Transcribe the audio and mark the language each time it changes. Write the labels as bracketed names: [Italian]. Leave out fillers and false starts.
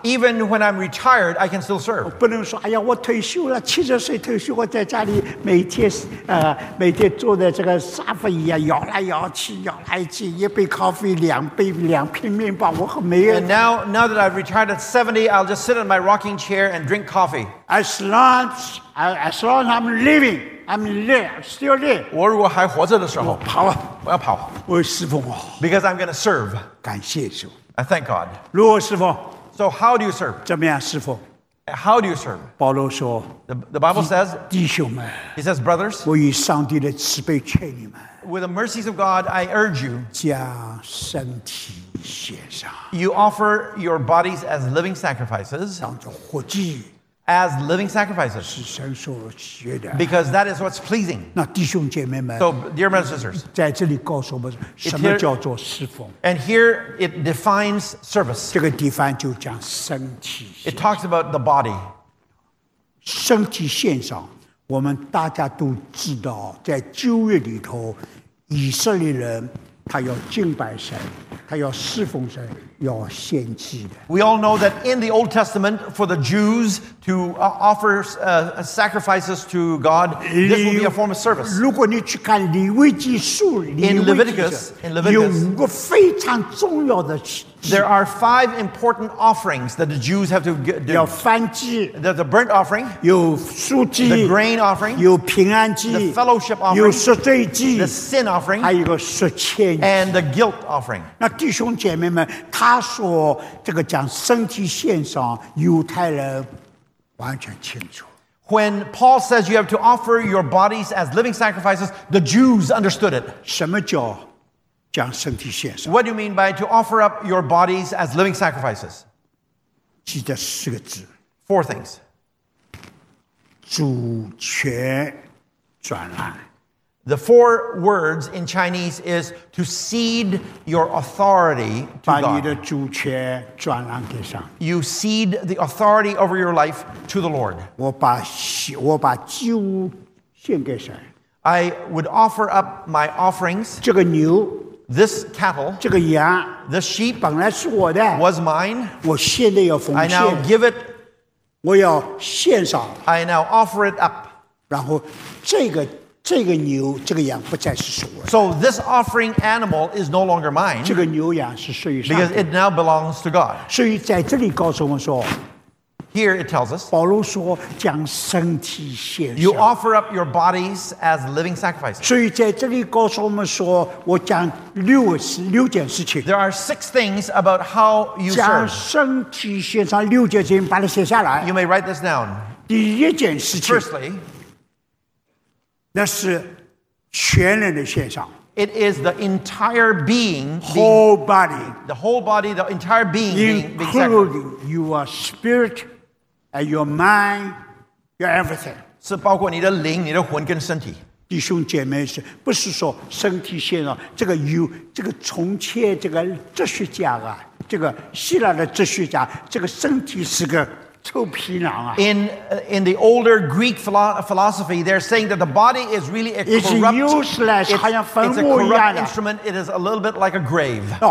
[English] Even when I'm retired, I can still serve. [Chinese] 我不能说，哎呀，我退休了，七十岁退休，我在家里每天每天坐在这个沙发椅啊，摇来摇去，摇来去，一杯咖啡，两片面包，我很没有。 [English] And now that I've retired at 70, I'll just sit in my rocking chair and drink coffee. As long as I'm living, I'm there, still there. [Chinese] 我如果还活着的时候，跑啊，我要跑。我要侍奉啊。 [English] Because I'm going to serve. [Chinese] 感谢主 [English] I thank God. [Chinese] 如何侍奉 [English] So how do you serve? [Chinese] 怎么样侍奉 [English] How do you serve? [Chinese] 保罗说 [English] The Bible says, [Chinese] 弟兄们 [English] He says, brothers, [Chinese] 我以上帝的慈悲劝你们 [English] With the mercies of God, I urge you, [Chinese] 将身体献上 [English] You offer your bodies as living sacrifices, [Chinese] 当作活祭 [English] As living sacrifices, [Chinese] 是神所悦的 [English] Because that is what's pleasing. [Chinese] 那弟兄姐妹们 [English] So, dear brothers and sisters, [Chinese] 在这里告诉我们什么叫做侍奉 [English] And here it defines service. [Chinese] 这个 define 就讲身体 [English] It talks about the body. [Chinese] 身体献上，我们大家都知道，在旧约里头，以色列人他要敬拜神，他要侍奉神。 [English] We all know that in the Old Testament, for the Jews to offer sacrifices to God, this will be a form of service. [Chinese] 如果你去看《利未记》书，《 [English] In Leviticus, [Chinese] 有五个非常重要的。 [English] There are five important offerings that the Jews have to do. [Chinese] 有燔祭。 [English] There's the burnt offering. [Chinese] 有素祭。 [English] The grain offering. [Chinese] 有平安祭。 [English] The fellowship offering. [Chinese] 有赎罪祭。 [English] The sin offering. [Chinese] 还有个赎愆祭。 [English] And the guilt offering. [Chinese] 那弟兄姐妹们。他说：“这个讲身体献上，犹太人完全清楚。” [English] When Paul says you have to offer your bodies as living sacrifices, the Jews understood it. [Chinese] 什么叫讲身体献上 [English] ？What do you mean by to offer up your bodies as living sacrifices? [Chinese] 记得四个字。 [English] Four things. [Chinese] 主权转让。 [English] The four words in Chinese is to cede your authority to God. [Chinese] 把你的主权转让给上。 [English] You cede the authority over your life to the Lord. [Chinese] 我把祭物献给神。 [English] I would offer up my offerings. [Chinese] 这个牛。 [English] This cattle. [Chinese] 这个羊。 [English] This sheep. [Chinese] 本来是我的。 [English] Was mine. [Chinese] 我现在要奉献。 [English] I now give it. [Chinese] 我要献上。 [English] I now offer it up. [Chinese] 然后这个。这个牛这个羊不再是属我的。 [English] So this offering animal is no longer mine. [Chinese] 这个牛羊是属于上帝。 [English] Because it now belongs to God. [Chinese] 所以在这里告诉我们说。 [English] Here it tells us. [Chinese] 保罗说将身体献上。 [English] You offer up your bodies as living sacrifices. [Chinese] 所以在这里告诉我们说我将六件事情。 [English] There are six things about how you serve. [Chinese] 将身体献上六件事情把它写下来。 [English] You may write this down. [Chinese] 第一件事情。 [English] Firstly, [Chinese] 那是全人的献上。 [English] It is the entire being, whole body, the whole body, the entire being, including your spirit and your mind, your everything. [Chinese] 是包括你的灵、你的魂跟身体。弟兄姐妹是，不是说身体献上？这个有这个从前这个哲学家啊，这个希腊的哲学家，这个身体是个。 [English] In the older Greek philosophy, they're saying that the body is really a corrupt. It's useless. It's a corrupt instrument. It is a little bit like a grave.